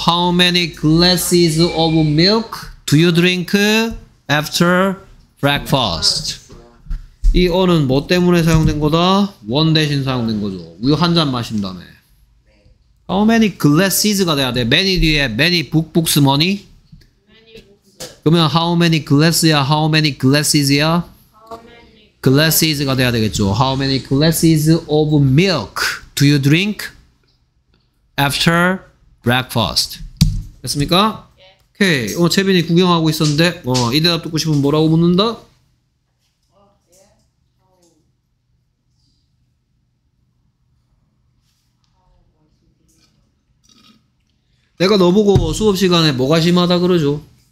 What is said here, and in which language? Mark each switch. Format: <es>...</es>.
<en>How many glasses of milk do you drink after breakfast?</en> <ko>이 어는 뭐 때문에 사용된 거다? 원 대신 사용된 거죠. 우유 한 잔 마신 다음에.</ko> <en>How many glasses</en> <ko>가 돼야 돼?</ko> <en>many 뒤에 many book books money? many books.</en> <ko>그러면</ko> <en>how many glasses야? how many glasses</en> <ko>야? glasses가 돼야 되겠죠.</ko> <en>How many glasses of milk do you drink after breakfast?</en> <ko>됐습니까? 예. 오케이. 채빈이 구경하고 있었는데 이 대답 듣고 싶으면 뭐라고 묻는다? 내가 너 보고 수업 시간에 뭐가 심하다 그러죠?</ko>